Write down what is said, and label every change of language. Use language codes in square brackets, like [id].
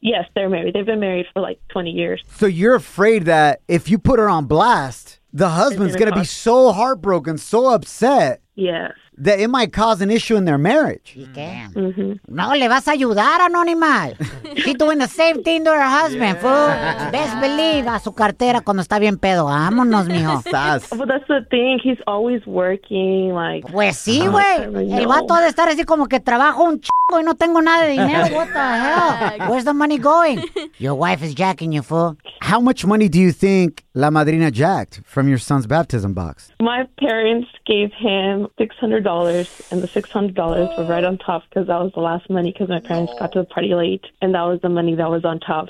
[en] Yes, they're married. They've been married for like 20 years. So you're afraid that if you put her on blast, the husband's going to be so heartbroken, so upset. Yes. That it might cause an issue in their marriage. He can. Mm-hmm. [es] No, le vas a ayudar, Anónima. [en] She's doing the same thing to her husband, fool. Best believe [es] a su cartera cuando está bien pedo. Vámonos, mijo. Estás. [en] But that's the thing. He's always working, like... [es] Pues sí, güey. El vato ha de estar así como que trabajo un chingo y no tengo nada de dinero. [en] What the hell? Where's the money going? Your wife is jacking you, fool. How much money do you think la madrina jacked from your son's baptism box? My parents gave him $600, and the $600 were right on top because that was the last money because my parents got to the party late, and that was the money that was on top.